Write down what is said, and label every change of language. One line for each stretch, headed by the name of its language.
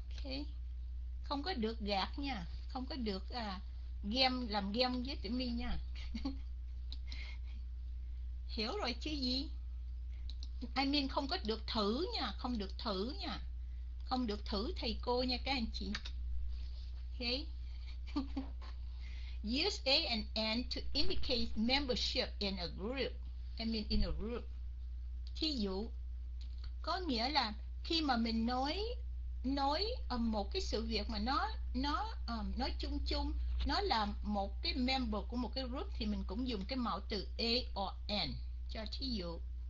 Vietnamese: Ok, không có được gạt nha, không có được game, làm game với tiểu mi nha. Hiểu rồi chứ gì?
English: I mean
Vietnamese: không có được thử nha, không được thử nha, không được thử thầy cô nha các anh chị. Ok.
English: Use A and N to indicate membership in a group. I mean in a group.
Vietnamese: Thí dụ, có nghĩa là khi mà mình nói một cái sự việc mà nói chung chung, nó là một cái member của một cái group thì mình cũng dùng cái mẫu từ A or N. Cho thí dụ.